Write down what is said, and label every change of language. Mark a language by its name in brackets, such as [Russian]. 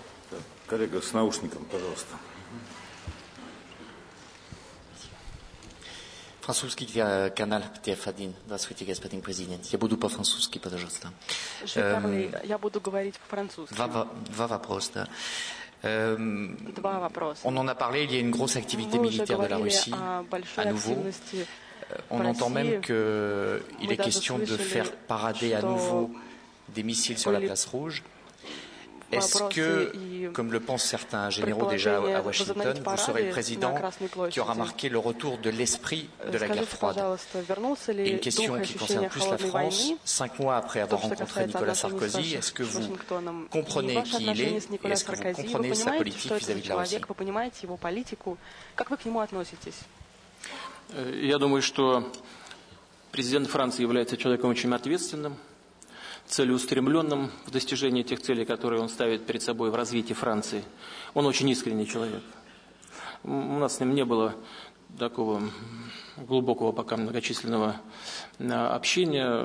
[Russian] Так, коллега, с наушником, пожалуйста. Французский канал ТФ1. Здравствуйте, господин президент. Я буду по-французски, пожалуйста. Я буду говорить по-французски. Два вопроса, да. Два вопроса. [French] Он en a parlé, il y a une grosse activité militaire de la Russie, à nouveau. On entend même qu'il est question de faire parader à nouveau des missiles sur la place rouge. Est-ce que, comme le pensent certains généraux déjà à Washington, vous serez président qui aura marqué le retour de l'esprit de la guerre froide? Et une question qui concerne plus la France, cinq mois après avoir rencontré Nicolas Sarkozy, est-ce que vous comprenez qui il est et est-ce que vous comprenez sa politique vis-à-vis de la Russie? [Russian] Я думаю, что президент Франции является человеком очень ответственным, целеустремленным в достижении тех целей, которые он ставит перед собой в развитии Франции. Он очень искренний человек. У нас с ним не было такого глубокого пока многочисленного общения.